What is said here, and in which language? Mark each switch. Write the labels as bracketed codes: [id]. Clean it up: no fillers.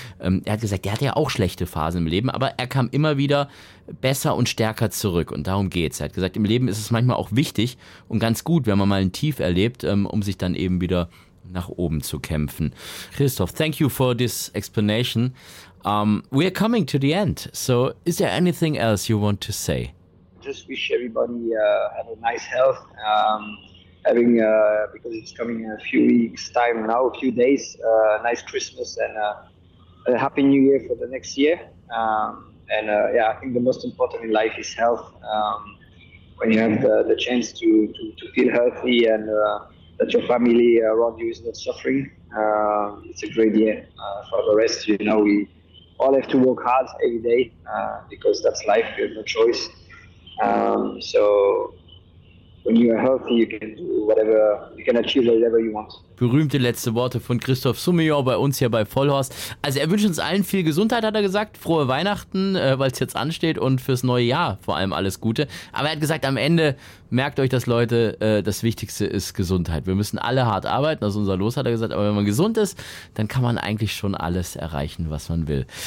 [de] Er hat gesagt, der hatte ja auch schlechte Phasen im Leben, aber er kam immer wieder besser und stärker zurück. Und darum geht's. Er hat gesagt, im Leben ist es manchmal auch wichtig und ganz gut, wenn man mal ein Tief erlebt, um sich dann eben wieder nach oben zu kämpfen. [en] Christoph, thank you for this explanation. We are coming to the end. So is there anything else you want to say? Just wish everybody have a nice health. Having because it's coming in a few weeks time now, a few days, nice Christmas and a happy new year for the next year. I think the most important in life is health. When you have the chance to feel healthy and that your family around you is not suffering, it's a great year. For the rest, you know, we all have to work hard every day because that's life, you have no choice. So when you are healthy, you can do whatever, you can achieve whatever you want. [de] Berühmte letzte Worte von Christoph Soumillon bei uns hier bei Vollhorst. Also er wünscht uns allen viel Gesundheit, hat er gesagt. Frohe Weihnachten, weil es jetzt ansteht und fürs neue Jahr vor allem alles Gute. Aber er hat gesagt, am Ende merkt euch das, Leute, das Wichtigste ist Gesundheit. Wir müssen alle hart arbeiten, das ist unser Los, hat er gesagt. Aber wenn man gesund ist, dann kann man eigentlich schon alles erreichen, was man will.